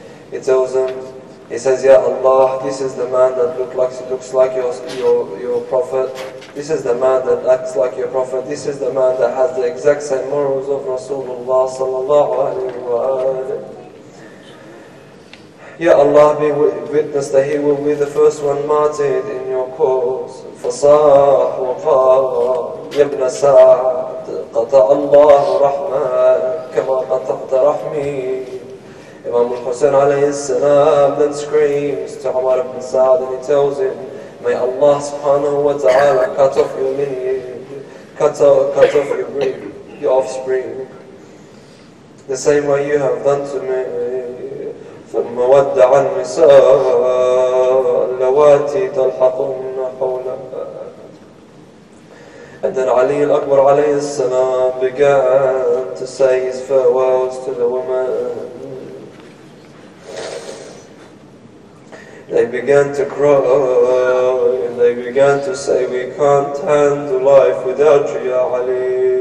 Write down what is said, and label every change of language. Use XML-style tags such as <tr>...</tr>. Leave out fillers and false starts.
<en>He tells him, he says, Ya Allah, this is the man that looks like your prophet. This is the man that acts like your prophet. This is the man that has the exact same morals of Rasulullah sallallahu alayhi wa alayhi. Ya Allah, be witness that he will be the first one martyred in your cause.</en> <ar>فصاح وقال يا ابن سعد قطع الله رحمك كما قطعت رحمي.</ar> <en>Imam Hussain alayhi salam then screams to Umar ibn Sa'd and he tells him, may Allah subhanahu wa ta'ala cut off your lineage, cut off your offspring, the same way you have done to me.</en> <ar>ثم ودع النساء اللواتي تلحقهن حولها.</ar> <en>And then Ali al-Akbar alayhi salam began to say his farewells to the women. They began to cry and they began to say, we can't handle life without you, Ya Ali.</en>